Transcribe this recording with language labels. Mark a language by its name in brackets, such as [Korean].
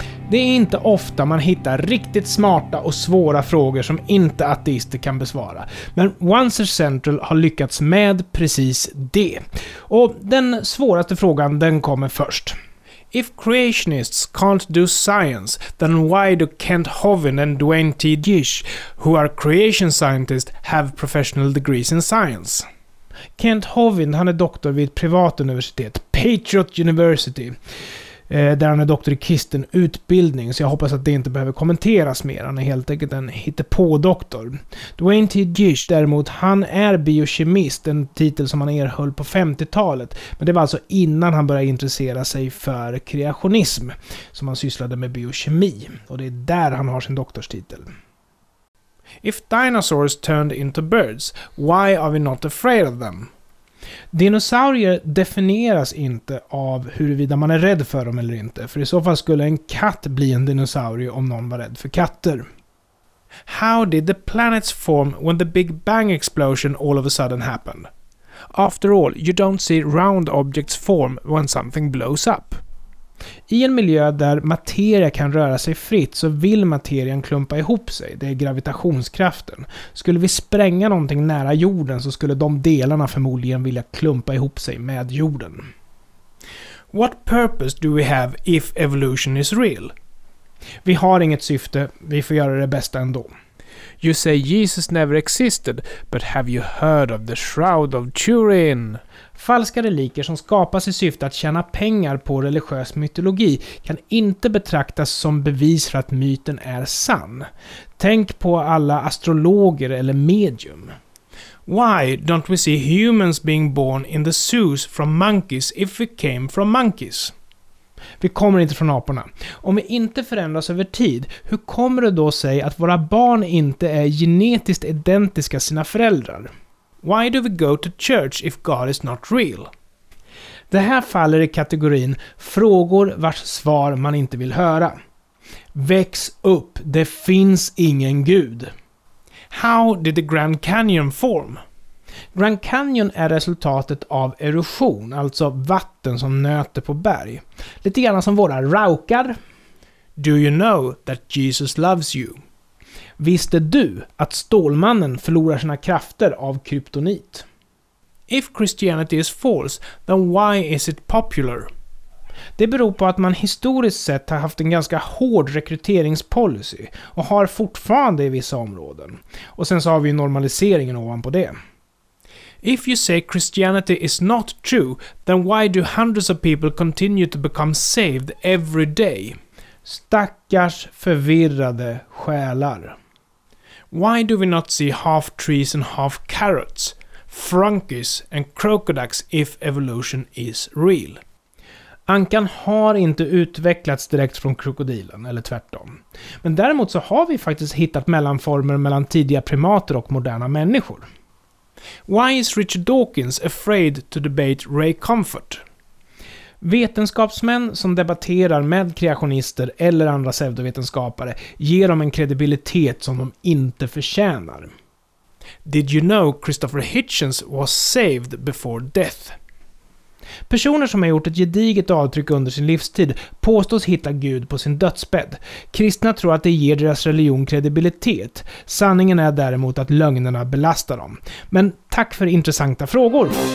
[Swedish] Det är inte ofta man hittar riktigt smarta och svåra frågor som inte ateister kan besvara. Men Answer Central har lyckats med precis det. Och den svåraste frågan, den kommer först. [English] If creationists can't do science, then why do Kent Hovind and Dwayne T. Gish, who are creation scientists, have professional degrees in science? [Swedish] Kent Hovind, han är doktor vid ett privat universitet, Patriot University, där han är doktor i kristen utbildning, så jag hoppas att det inte behöver kommenteras mer. Han är helt enkelt en hittepådoktor. Dwayne T. Gish däremot, han är biokemist, en titel som han erhöll på 50-talet, men det var alltså innan han började intressera sig för kreationism, som han sysslade med biokemi, och det är där han har sin doktorstitel. [English] If dinosaurs turned into birds, why are we not afraid of them? [Swedish] Dinosaurier definieras inte av huruvida man är rädd för dem eller inte, för i så fall skulle en katt bli en dinosaurie om någon var rädd för katter. [English] How did the planets form when the Big Bang explosion all of a sudden happened? After all, you don't see round objects form when something blows up. [Swedish] I en miljö där materia kan röra sig fritt så vill materien klumpa ihop sig, det är gravitationskraften. Skulle vi spränga någonting nära jorden så skulle de delarna förmodligen vilja klumpa ihop sig med jorden. [English] What purpose do we have if evolution is real? [Swedish] Vi har inget syfte, vi får göra det bästa ändå. [English] You say Jesus never existed, but have you heard of the Shroud of Turin? [Swedish] Falska reliker som skapas i syfte att tjäna pengar på religiös mytologi kan inte betraktas som bevis för att myten är sann. Tänk på alla astrologer eller medium. [English] Why don't we see humans being born in the zoos from monkeys if we came from monkeys? [Swedish] Vi kommer inte från aporna. Om vi inte förändras över tid, hur kommer det då sig att våra barn inte är genetiskt identiska sina föräldrar? [English] Why do we go to church if God is not real? [Swedish] Det här faller i kategorin frågor vars svar man inte vill höra. Väx upp, det finns ingen gud. [English] How did the Grand Canyon form? [Swedish] Grand Canyon är resultatet av erosion, alltså vatten som nöter på berg. Lite grann som våra raukar. [English] Do you know that Jesus loves you? [Swedish] Visste du att Stålmannen förlorar sina krafter av kryptonit? [English] If Christianity is false, then why is it popular? [Swedish] Det beror på att man historiskt sett har haft en ganska hård rekryteringspolicy och har fortfarande i vissa områden. Och sen så har vi normaliseringen ovanpå det. [English] If you say Christianity is not true, then why do hundreds of people continue to become saved every day? [Swedish] Stackars förvirrade själar. [English] Why do we not see half trees and half carrots, frunkies and crocodiles if evolution is real? [Swedish] Ankan har inte utvecklats direkt från krokodilen, eller tvärtom. Men däremot så har vi faktiskt hittat mellanformer mellan tidiga primater och moderna människor. [English] Why is Richard Dawkins afraid to debate Ray Comfort? [Swedish] Vetenskapsmän som debatterar med kreationister eller andra pseudovetenskapare ger dem en kredibilitet som de inte förtjänar. [English] Did you know Christopher Hitchens was saved before death? [Swedish] Personer som har gjort ett gediget avtryck under sin livstid påstås hitta Gud på sin dödsbädd. Kristna tror att det ger deras religion kredibilitet. Sanningen är däremot att lögnerna belastar dem. Men tack för intressanta frågor!